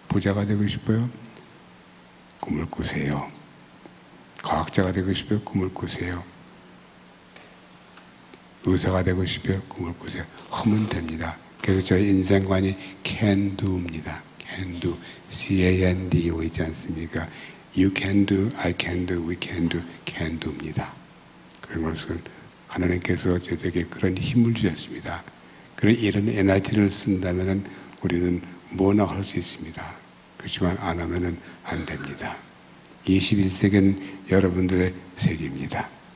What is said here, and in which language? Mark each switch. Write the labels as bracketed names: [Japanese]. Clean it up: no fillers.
[Korean] 부자가 되고 싶어요? 꿈을 꾸세요. 과학자가 되고 싶어요? 꿈을 꾸세요. 의사가 되고 싶어요? 꿈을 꾸세요. 하면 됩니다. 그래서 저희 인생관이 can do입니다. can do. C-A-N-D-O 있지 않습니까? [English] You can do, I can do, we can do, can do입니다. [Korean] 그런 것은 하나님께서 저에게 그런 힘을 주셨습니다. 그런 이런 에너지를 쓴다면 우리는 뭐나 할 수 있습니다. 그렇지만 안 하면 안 됩니다. 21세기는 여러분들의 세기입니다.